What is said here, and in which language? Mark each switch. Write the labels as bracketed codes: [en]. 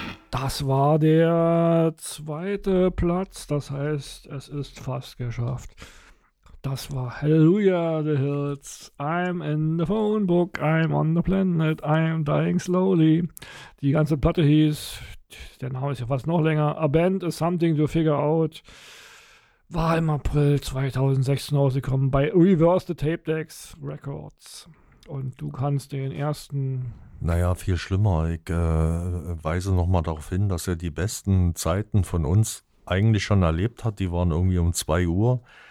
[de] Das war der zweite Platz, das heißt, es ist fast geschafft. Das war Hallelujah, the Hills. [en] I'm in the phone book, I'm on the planet, I'm dying slowly. [de] Die ganze Platte hieß, der Name ist ja fast noch länger, A Band is Something to Figure Out. War im April 2016 rausgekommen bei Reverse the Tape Decks Records. Und du kannst den ersten... Naja, viel schlimmer. Ich weise nochmal darauf hin, dass er die besten Zeiten von uns eigentlich schon erlebt hat. Die waren irgendwie um 2 Uhr.